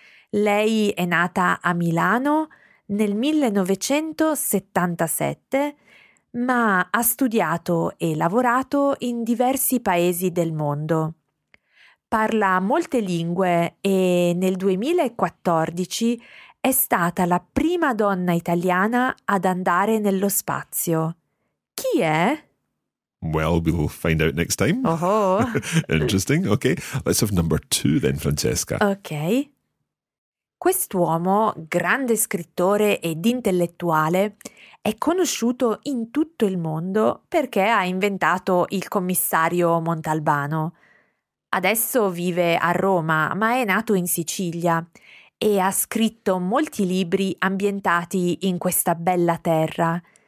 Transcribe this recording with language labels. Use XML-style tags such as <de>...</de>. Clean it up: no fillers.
<it>Lei è nata a Milano nel 1977, ma ha studiato e lavorato in diversi paesi del mondo. Parla molte lingue e nel 2014 è stata la prima donna italiana ad andare nello spazio. Chi è?</it> <en>Well, we'll find out next time. Uh-huh. Interesting. Okay, let's have number two then, Francesca. Okay.</en> <it>Quest'uomo, grande scrittore ed intellettuale, è conosciuto in tutto il mondo perché ha inventato il commissario Montalbano. Adesso vive a Roma, ma è nato in Sicilia e ha scritto molti libri ambientati in questa bella terra.</it>